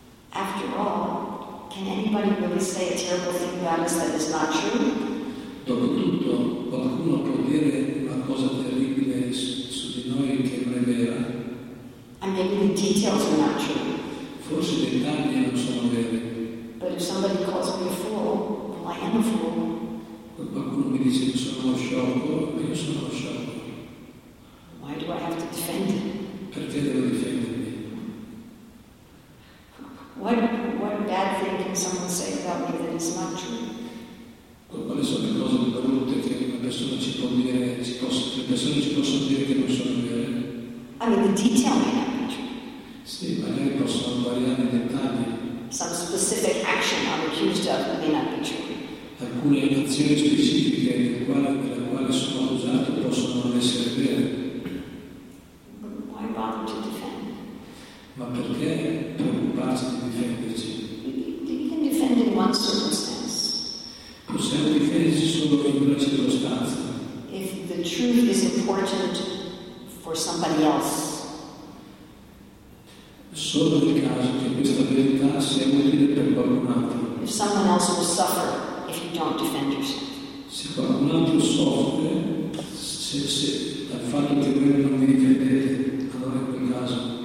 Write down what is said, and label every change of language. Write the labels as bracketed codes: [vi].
[en] After all, can anybody really say a terrible thing about us that is not true? [it] Dopo tutto, qualcuno può dire una cosa terribile su di noi che non è vera. [en] And maybe the details are not true. [it] Forse i dettagli non sono veri. [en] But if somebody calls me a fool, well, I am a fool. [it] Qualcuno mi dice che sono sciocco, ma io sono sciocco. [en] Why do I have to defend it? [it] Perché devo difendermi? [en] What bad thing can someone say about me that is not true? [it] Quali sono le cose brutte che una persona ci può dire, le persone ci possono dire che non sono vere? [en] I mean, the detail may not be true. [it] Sì, magari possono variare i dettagli. [en] Some specific action I'm accused of may not be true. [it] Alcune azioni specifiche della quale sono accusato possono non essere vere. [en] But why bother to defend? [it] Ma perché preoccuparsi di difenderci? [en] You can defend in one circumstance. [it] Possiamo difendersi solo in una circostanza. [en] If the truth is important for somebody else. [it] Solo nel caso che questa verità sia utile per qualcun altro. [en] If someone else will suffer if you don't defend yourself. [it] Se qualcun altro soffre, se dal fatto che voi non vi difendete, allora in quel caso.